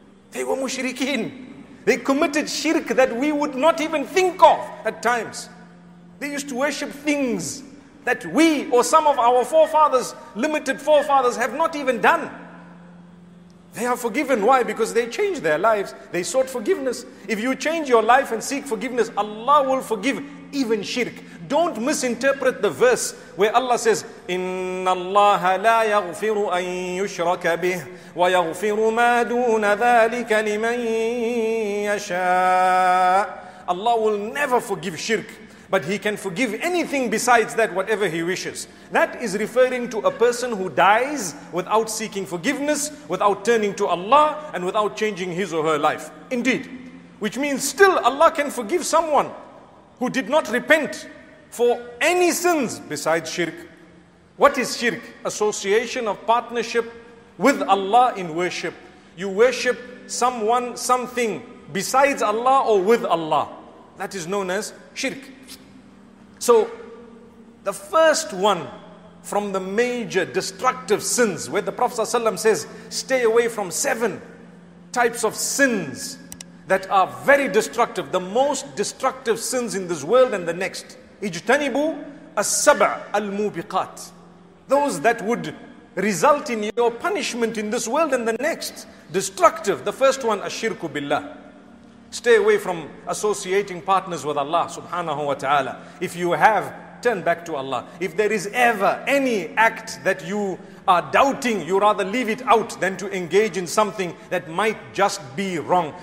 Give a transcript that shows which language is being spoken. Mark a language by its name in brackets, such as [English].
[English] They were mushrikeen. They committed shirk that we would not even think of at times. They used to worship things that we or some of our forefathers, limited forefathers, have not even done. They are forgiven. Why? Because they changed their lives. They sought forgiveness. If you change your life and seek forgiveness, Allah will forgive even shirk. Don't misinterpret the verse where Allah says, [Arabic] إِنَّ اللَّهَ لَا يَغْفِرُ أَن يُشْرَكَ بِهِ وَيَغْفِرُ مَا دُونَ ذَٰلِكَ لِمَن يَشَاءُ. [English] Allah will never forgive shirk, but He can forgive anything besides that, whatever He wishes. That is referring to a person who dies without seeking forgiveness, without turning to Allah, and without changing his or her life. Indeed. Which means still Allah can forgive someone who did not repent for any sins besides shirk. What is shirk? Association of partnership with Allah in worship. You worship someone, something besides Allah or with Allah. That is known as shirk. So the first one from the major destructive sins, where the Prophet ﷺ says, stay away from seven types of sins that are very destructive, the most destructive sins in this world and the next. [Arabic] اجتنبوا السبع الموبقات. [English] Those that would result in your punishment in this world and the next. Destructive. The first one, [Arabic] الشرك بالله. [English] Stay away from associating partners with Allah subhanahu wa ta'ala. If you have, turn back to Allah. If there is ever any act that you are doubting, you rather leave it out than to engage in something that might just be wrong.